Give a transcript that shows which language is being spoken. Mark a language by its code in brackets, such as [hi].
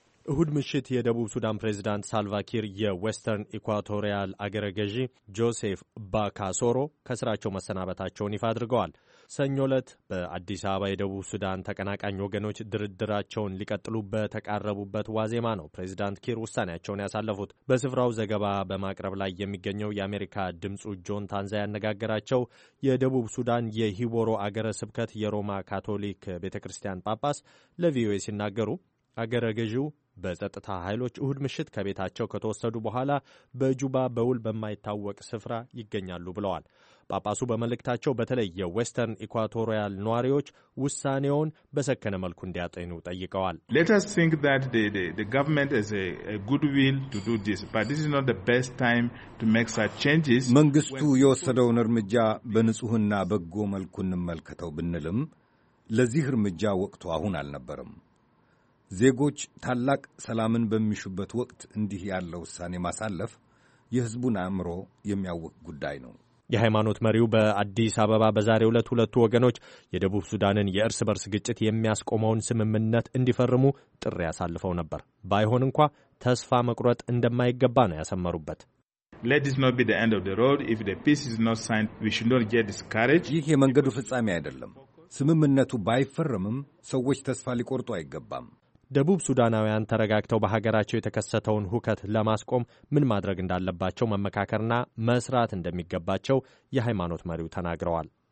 [am] እሁድ ምሽት የደቡብ ሱዳን ፕሬዝዳንት ሳልቫኪር የዌስተርን ኢኳቶሪያል አገረ ገዢ ጆሴፍ ባካሶሮ ከስራቸው መሰናበታቸውን ይፋ አድርገዋል። ሰኞ ዕለት በአዲስ አበባ የደቡብ ሱዳን ተቀናቃኝ ወገኖች ድርድራቸውን ሊቀጥሉ በተቃረቡበት ዋዜማ ነው ፕሬዝዳንት ኪር ውሳኔያቸውን ያሳለፉት። በስፍራው ዘገባ በማቅረብ ላይ የሚገኘው የአሜሪካ ድምፁ ጆን ታንዛ ያነጋገራቸው የደቡብ ሱዳን የሂቦሮ አገረ ስብከት የሮማ ካቶሊክ ቤተ ክርስቲያን ጳጳስ ለቪኦኤ ሲናገሩ አገረ ገዢው በጸጥታ ኃይሎች እሁድ ምሽት ከቤታቸው ከተወሰዱ በኋላ በጁባ በውል በማይታወቅ ስፍራ ይገኛሉ ብለዋል። ጳጳሱ በመልእክታቸው በተለይ የዌስተርን ኢኳቶሪያል ነዋሪዎች ውሳኔውን በሰከነ መልኩ እንዲያጠኑ ጠይቀዋል። [en] Let us think that the government has a good will to do this, but this is not the best time to make such changes. [am] መንግስቱ የወሰደውን እርምጃ በንጹህና በጎ መልኩ እንመልከተው ብንልም ለዚህ እርምጃ ወቅቱ አሁን አልነበረም። ዜጎች ታላቅ ሰላምን በሚሹበት ወቅት እንዲህ ያለው ውሳኔ ማሳለፍ የህዝቡን አምሮ የሚያውቅ ጉዳይ ነው። የሃይማኖት መሪው በአዲስ አበባ በዛሬው ዕለት ሁለቱ ወገኖች የደቡብ ሱዳንን የእርስ በርስ ግጭት የሚያስቆመውን ስምምነት እንዲፈርሙ ጥሪ ያሳልፈው ነበር። ባይሆን እንኳ ተስፋ መቁረጥ እንደማይገባ ነው ያሰመሩበት። [en] Let this not be the end of the road. If the peace is not signed, we should not get discouraged. [am] ይህ የመንገዱ ፍጻሜ አይደለም። ስምምነቱ ባይፈርምም ሰዎች ተስፋ ሊቆርጡ አይገባም። ደቡብ ሱዳናውያን ተረጋግተው በሀገራቸው የተከሰተውን ሁከት ለማስቆም ምን ማድረግ እንዳለባቸው መመካከርና መስራት እንደሚገባቸው የሃይማኖት መሪው ተናግረዋል።